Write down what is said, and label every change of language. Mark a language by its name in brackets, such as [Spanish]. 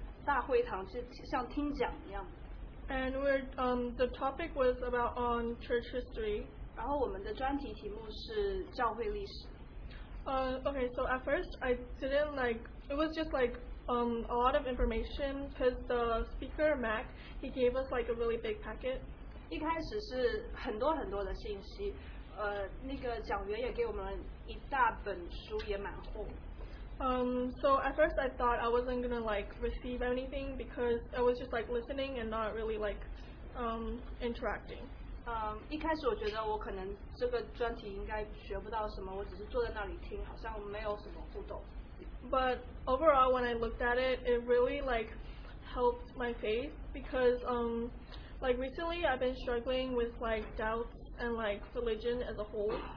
[Chinese] 所以所有的年长的那一半都像是去一个大会堂，像听讲一样。 [English] And we're the topic was about on church history. [Chinese] 然后我们的专题题目是教会历史。 [English] Okay, so at first I didn't like, it was just like a lot of information because the speaker, Mac, he gave us like a really big packet. [Chinese] 一开始是很多很多的信息, 那个讲员也给我们一大本书, 也蛮厚。 [English] So at first I thought I wasn't gonna like receive anything because I was just like listening and not really like interacting. [Chinese] 一开始我觉得我可能这个专题应该学不到什么，我只是坐在那里听，好像没有什么互动。 [English] But overall, when I looked at it, it really like helped my faith because like recently I've been struggling with like doubts and like religion as a whole.